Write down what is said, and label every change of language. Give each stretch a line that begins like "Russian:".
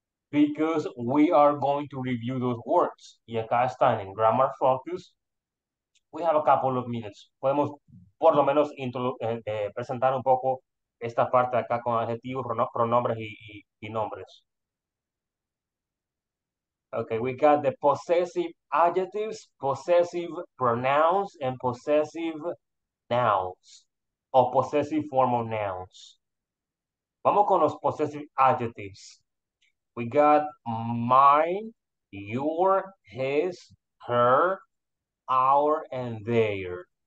English: Because we are going to review those words.
Spanish: Y acá están en
English: Grammar Focus. We have a couple of minutes.
Spanish: Podemos por lo menos presentar un poco esta parte acá con adjetivos, pronombres y nombres.
English: Okay, we got the possessive adjectives, possessive pronouns, and possessive nouns, or possessive formal nouns.
Spanish: Vamos con los
English: possessive adjectives. We got mine, your, his, her, our, and their.